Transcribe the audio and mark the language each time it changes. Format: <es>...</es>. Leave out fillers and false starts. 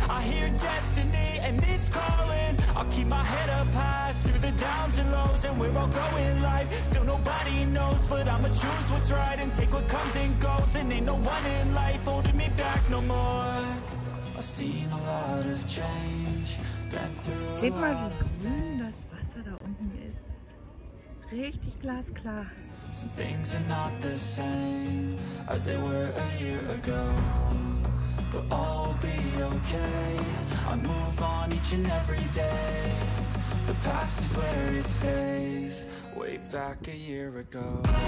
<en>I hear destiny and it's calling. I'll keep my head up high through the downs and lows. And we're all going live, still nobody knows. But I'ma choose what's right and take what comes and goes. And ain't no one in life holding me back no more. I've seen a lot of change, been through a lot of pain.</en> <de>Seht mal, wie grün das Wasser da unten ist. Richtig glasklar.</de> <en>Some things are not the same as they were a year ago. But all will be okay, I move on each and every day. The past is where it stays, way back a year ago.</en>